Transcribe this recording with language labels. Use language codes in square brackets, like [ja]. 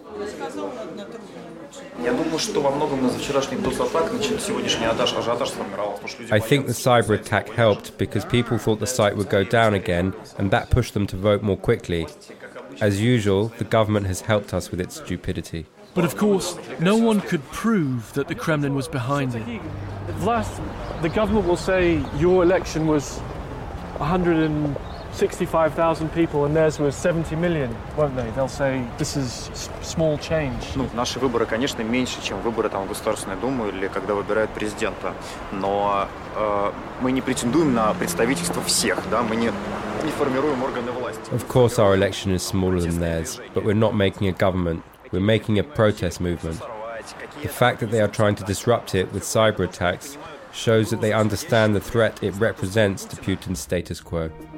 [en] I think the cyber attack helped because people thought the site would go down again and that pushed them to vote more quickly. As usual, the government has helped us with its stupidity. But of course, no one could prove that the Kremlin was behind it. Last, the government will say your election was 165,000 people and theirs were 70 million, won't they? They'll say this is small change. [ru] Наши выборы, конечно, меньше, чем выборы там в Государственную Думу или когда выбирают президента. Но мы не претендуем на представительство всех, да? Мы не формируем органы власти. [en] Of course our election is smaller than theirs, but we're not making a government. We're making a protest movement. The fact that they are trying to disrupt it with cyber attacks shows that they understand the threat it represents to Putin's status quo.